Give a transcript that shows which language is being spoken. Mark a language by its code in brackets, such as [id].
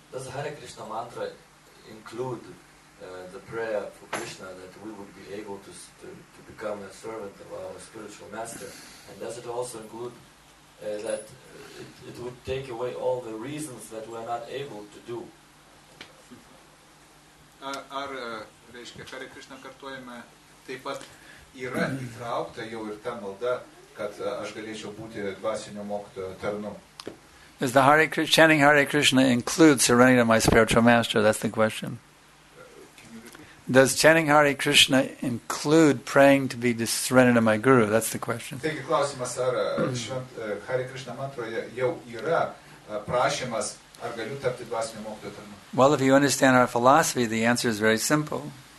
[en] Does Hare Krishna mantra include the prayer for Krishna that we would be able to become a servant of our spiritual master? And does it also include that it would take away all the reasons that we are not able to do? [lt] Ar, reiškia, Hare Krishna kartuojame, taip pat yra įtraukta jau ir ta malda, kad aš galėčiau būti dvasinio mokytojo tarnu. [en] Does the Hare Krishna, chanting Hare Krishna include surrendering to my spiritual master? That's the question. Does chanting Hare Krishna include praying to be surrendered to my guru? That's the question. [lt] Taigi klausimas, ar Hare Krishna mantroje jau yra prašymas, ar galiu tapti dvasinio mokytojo tarnu? [en] Well, if you understand our philosophy, the answer is very simple.